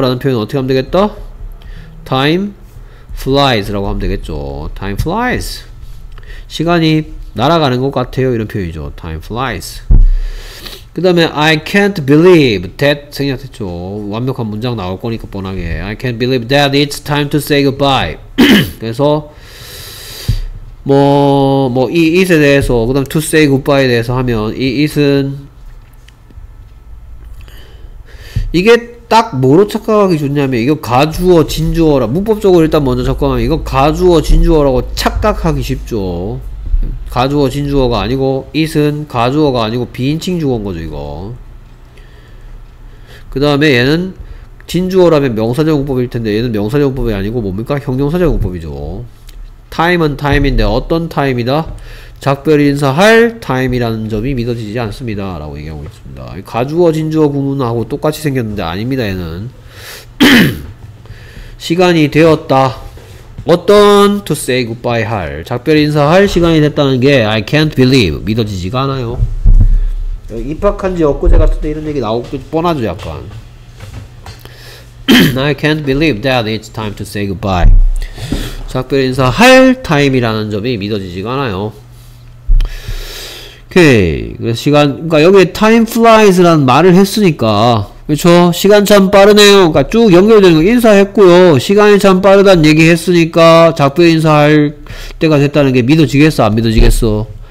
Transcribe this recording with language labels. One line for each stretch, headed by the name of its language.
Korean: 라는 표현 어떻게 하면 되겠다?
English: Time flies
Korean: 라고 하면 되겠죠.
English: Time flies.
Korean: 시간이 날아가는 것 같아요. 이런 표현이죠.
English: Time flies.
Korean: 그 다음에
English: I can't believe that
Korean: 생략됐죠. 완벽한 문장 나올 거니까 뻔하게.
English: I can't believe that it's time to say goodbye.
Korean: 그래서 뭐 이 it에 대해서 그 다음 to say goodbye에 대해서 하면 이 it은 이게 딱 뭐로 착각하기 좋냐면 이거 가주어 진주어라 문법적으로 일단 먼저 착각하면 이거 가주어 진주어라고 착각하기 쉽죠. 가주어 진주어가 아니고 it은 가주어가 아니고 비인칭 주어인거죠 이거. 그 다음에 얘는 진주어라면 명사적용법일텐데 얘는 명사적용법이 아니고 뭡니까? 형용사적용법이죠. time은 time인데 어떤 time이다? 작별인사할 time이라는 점이 믿어지지 않습니다 라고 얘기하고 있습니다. 가주어 진주어 구문하고 똑같이 생겼는데 아닙니다 얘는. 시간이 되었다. 어떤 to say goodbye 할 작별 인사할 시간이 됐다는 게
English: I can't believe
Korean: 믿어지지가 않아요. 입학한 지 엊그제 같은데 이런 얘기 나올 게 뻔하죠 약간.
English: I can't believe that it's time to say goodbye.
Korean: 작별 인사할 time이라는 점이 믿어지지가 않아요. 오케이. 그래서 시간 그러니까 여기에 time flies라는 말을 했으니까 그렇죠. 시간 참 빠르네요. 그러니까 쭉 연결되는 거 인사했고요. 시간이 참 빠르다는 얘기했으니까 작별 인사할 때가 됐다는 게 믿어지겠어? 안 믿어지겠어?